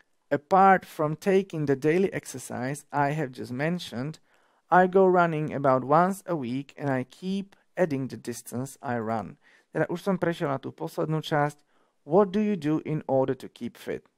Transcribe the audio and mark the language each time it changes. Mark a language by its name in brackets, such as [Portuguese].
[English] Apart from taking the daily exercise I have just mentioned, I go running about once a week and I keep adding the distance I run. [Slovak] Teda už som prešiel na tú poslednú časť. [English] What do you do in order to keep fit?